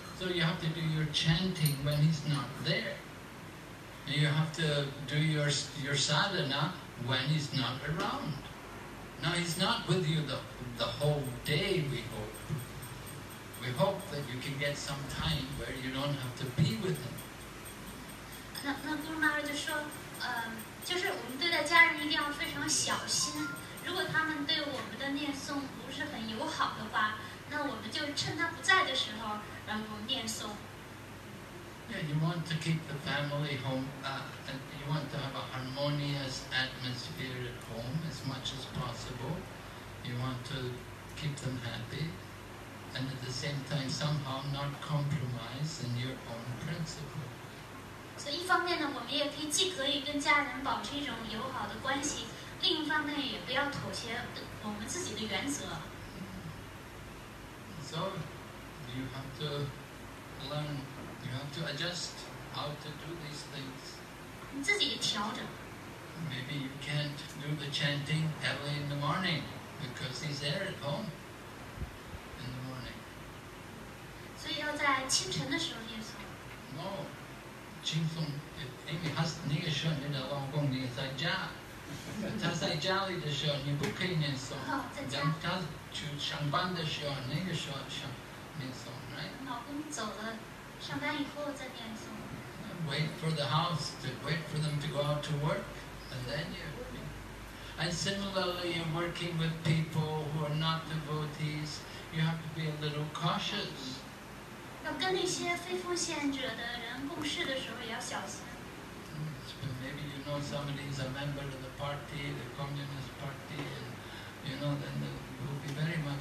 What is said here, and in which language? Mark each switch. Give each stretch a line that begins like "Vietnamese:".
English: So you have to do your chanting when he's not there. You have to do your sadhana when he's not around. Now he's not with you the whole day, we hope. We hope that you can get some time where you don't have to be with him.
Chinese: 那姑妈就说，就是我们对待家人一定要非常小心。如果他们对我们的念诵不是很友好的话，那我们就趁他不在的时候，然后念诵。
English: Yeah, you want to keep the family home, and you want to have a harmonious atmosphere at home as much as possible. You want to keep them happy, and at the same time somehow not compromise in your own principle. So,
Chinese: 一方面呢，我们也可以既可以跟家人保持一种友好的关系，另一方面也不要妥协我们自己的原则。
English: So, you have to learn. You have to adjust how to do these things.
Chinese: 你自己也调整。
English: Maybe you can't do the chanting early in the morning because he's there at home in the morning.
Chinese: 所以要在清晨的时候念诵。
English: No,
Chinese: 清诵，因为他那个时候你的老公也在家，他在家里的时候你不可以念诵。好，在家。他去上班的时候，那个时候上念诵 ，
English: right？
Chinese: 老公走了。上班以后再念诵。
English: Wait for the house to wait for them to go out to work, and then you. And similarly, in working with people who are not devotees, you have to be a little cautious.
Chinese: 要跟那些非奉献者的人共事的时候也要小心。
English: Maybe you know somebody is a member of the party, the Communist Party, and you know then they will be very much.